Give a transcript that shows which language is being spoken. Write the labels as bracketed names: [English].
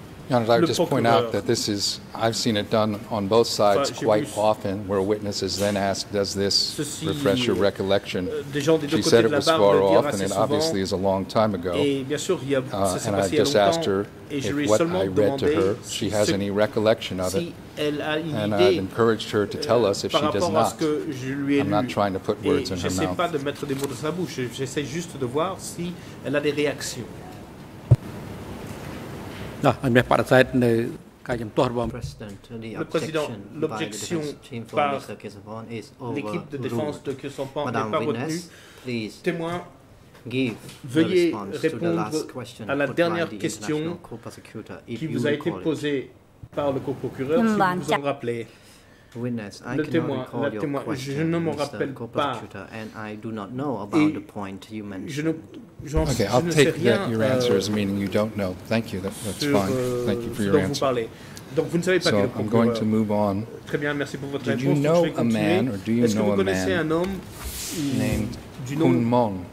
[English] Your Honor, I would just point out that this is, I've seen it done on both sides quite often, where witnesses then ask, does this refresh your recollection? She said it was far off, and it obviously is a long time ago. And I just asked her if what I read to her, she has any recollection of it. And I've encouraged her to tell us if she does not. I'm not trying to put words in her mouth. [French] J'essaie pas de mettre des mots dans sa bouche, j'essaie juste de voir si elle a des réactions. Le Président, l'objection par l'équipe de défense de Kyusampan n'est pas retenue. Témoin, veuillez répondre à la dernière question qui vous a été posée par le coprocureur, si vous vous en rappelez. Le témoin, je ne m'en rappelle pas. [English] Okay, I'll take that your answer as meaning you don't know. Thank you, that's fine. Thank you for your answer. [French] Donc vous ne savez pas [English] so I'm going to move on. [French] Très bien, merci pour votre [English] Did you know a man, or do you know a man named Khun Mom?